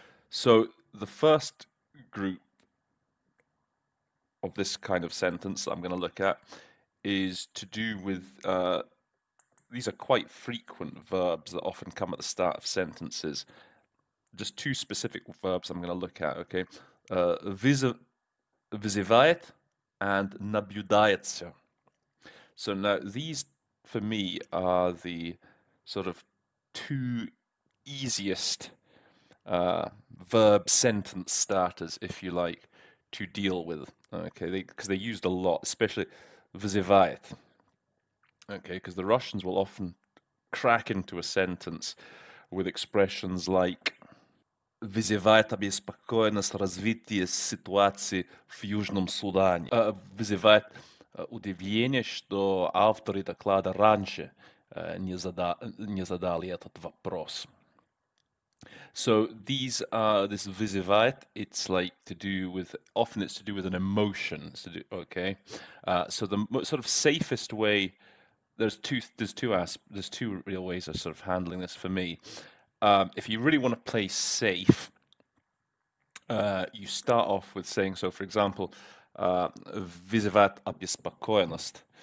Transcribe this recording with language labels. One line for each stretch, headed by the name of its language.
English: So the first group of this kind of sentence that I'm going to look at is to do with, these are quite frequent verbs that often come at the start of sentences. just two specific verbs I'm going to look at, okay?
Russian: Вызывает and наблюдается.
English: So now these, for me, are the sort of two easiest verb sentence starters, if you like, to deal with, okay? Because they're used a lot, especially вызывает, okay? Because the Russians will often crack into a sentence with expressions like
Russian: вызывает обеспокоенность развитие ситуации в Южном Судане. Вызывает удивление, что авторы доклада раньше не задали этот вопрос.
English: So these are this вызывает. It's like to do with often it's to do with an emotion. Okay. So the sort of safest way there's two real ways of sort of handling this for me. If you really want to play safe, you start off with saying, so for example,
Russian: вызывает обеспокоенность.